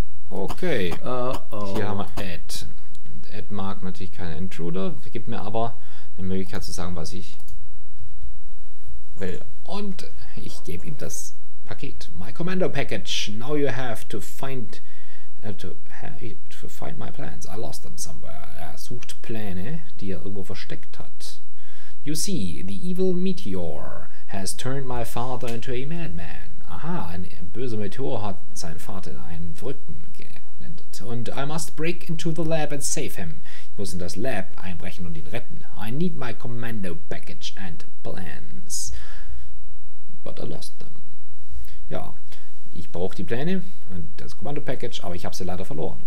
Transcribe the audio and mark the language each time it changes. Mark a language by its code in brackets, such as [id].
[de] Okay. Hier haben wir Ed. Und Ed mag natürlich keinen Intruder, gibt mir aber eine Möglichkeit zu sagen, was ich will. Und ich gebe ihm das Paket. [en] My Commando Package. Now you have to find my plans. I lost them somewhere. [de] Er sucht Pläne, die er irgendwo versteckt hat. [en] You see, the evil meteor has turned my father into a madman. [de] Aha, ein böser Meteor hat seinen Vater in einen Verrückten nennt. [en] Und I must break into the lab and save him. [de] Ich muss in das Lab einbrechen und ihn retten. [en] I need my commando package and plans. But I lost them. [de] Ja, ich brauche die Pläne und das commando package, aber ich habe sie leider verloren.